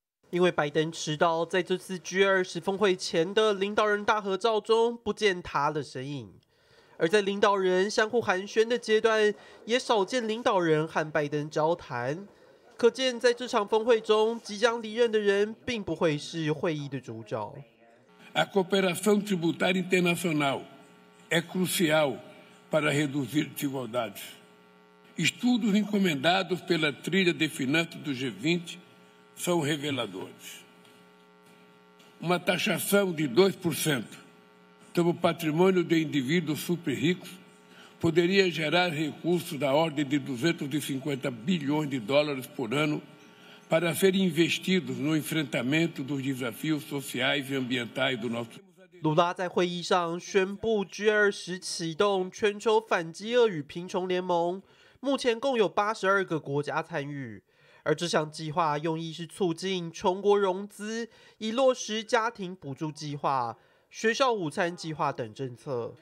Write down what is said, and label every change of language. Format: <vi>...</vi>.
<zh>因为拜登迟到，在这次 G20 峰会前的领导人大合照中不见他的身影，而在领导人相互寒暄的阶段也少见领导人和拜登交谈，可见在这场峰会中即将离任的人并不会是会议的主角。</zh> <pt>A cooperação tributária internacional é crucial para reduzir desigualdades. Estudos encomendados pela trilha de finanças do G20são reveladores. Uma taxação de 2% sobre o patrimônio de indivíduos super ricos poderia gerar recursos da ordem de 250 bilhões de dólares por ano para serem investidos no enfrentamento dos desafios sociais e ambientais do nosso país.</pt> <zh>Lula 在会议上宣布 G20 启动全球反饥饿与贫穷联盟，目前共有82个国家参与。而这项计划用意是促进穷国融资，以落实家庭补助计划、学校午餐计划等政策。</zh>